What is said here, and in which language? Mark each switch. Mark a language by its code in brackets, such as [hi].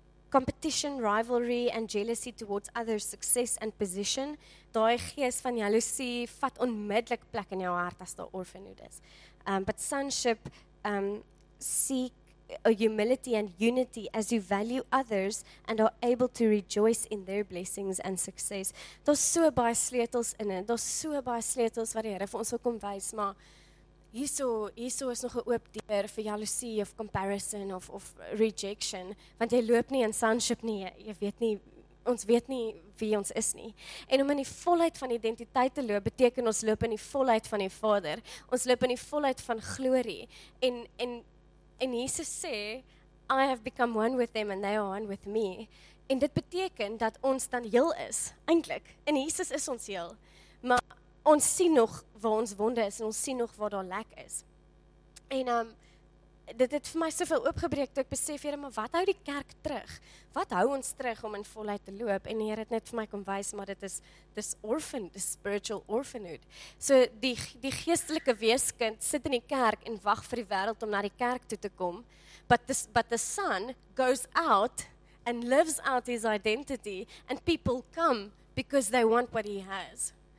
[en] Competition, rivalry and jealousy towards others' success and position, [af] daai gees van jaloesie vat onmiddellik plek in jou hart as daai orphanhood is. [en] But sonship seek a humility and unity as you value others and are able to rejoice in their blessings and success. [af] Daar's so baie sleutels in dit. Daar's so baie sleutels wat die Here vir ons wil kom wys, maar hierso is nog 'n oop deur vir jaloesie of comparison of rejection, want jy loop nie in sonship nie. Jy weet nie, ons weet nie wie ons is nie. En om in die volheid van identiteit te loop, beteken ons loop in die volheid van die Vader. Ons loop in die volheid van glorie. En Jesus sê, [en] I have become one with them and they are one with me. [af] En dit beteken dat ons dan heel is, eintlik. In Jesus is ons heel. Maar ons sien nog waar ons wonde is en ons sien nog waar daar lek is. En dit het vir my soveel oopgebreek toe ek besef, Here, maar wat hou die kerk terug? Wat hou ons terug om in volheid te loop? En die Here het net vir my kom wys, maar dis spiritual orphanhood. So die geestelike weeskind sit in die kerk en wag vir die wêreld om na die kerk toe te kom. [en] But the son goes out and lives out his identity and people come because they want what he has.